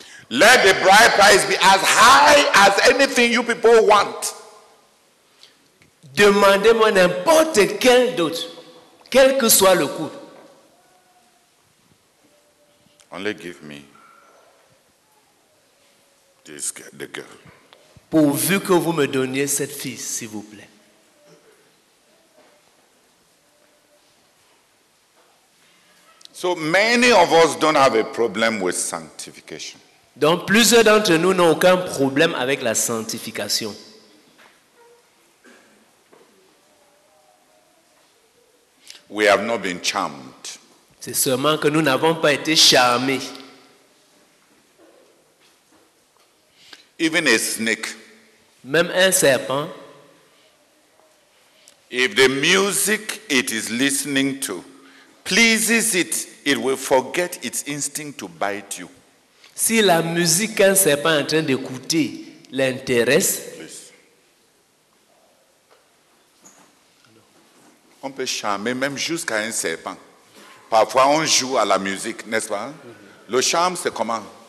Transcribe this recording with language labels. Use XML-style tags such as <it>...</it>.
<en>Let the bride price be as high as anything you people want.</en> <fr>Demandez-moi n'importe quel d'autre, quel que soit le coût.</fr> <en>Only give me this girl, the girl.</en> <fr>Pourvu que vous me donniez cette fille, s'il vous plaît.</fr> <en>So many of us don't have a problem with sanctification.</en> <fr>Donc plusieurs d'entre nous n'ont aucun problème avec la sanctification.</fr> <en>We have not been charmed.</en> <fr>C'est seulement que nous n'avons pas été charmés.</fr> <en>Even a snake.</en> <fr>Même un serpent.</fr> <en>If the music it is listening to pleases it, it will forget its instinct to bite you.</en> <fr>Si la musique qu'un serpent en train d'écouter l'intéresse, on peut charmer même jusqu'à un serpent. Parfois, on joue à la musique, n'est-ce pas? Le charme, c'est comment?</fr>